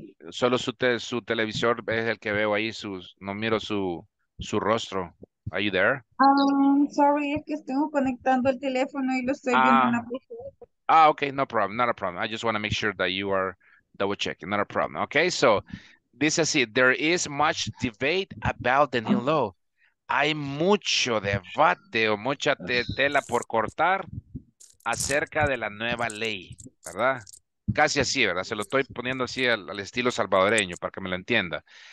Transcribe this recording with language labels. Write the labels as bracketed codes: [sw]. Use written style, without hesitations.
[es] Solo su televisor es el que veo ahí. No miro su rostro. [en] Are you there? [es] Sorry, es que estoy conectando el teléfono y lo estoy viendo. [en] Okay, no problem. Not a problem. I just want to make sure that you are double checking. Not a problem. Okay, so this is it. There is much debate about the new law. [es] Hay mucho debate o mucha tela por cortar acerca de la nueva ley, ¿verdad? Casi así, ¿verdad? Se lo estoy poniendo así al estilo salvadoreño para que me lo entienda.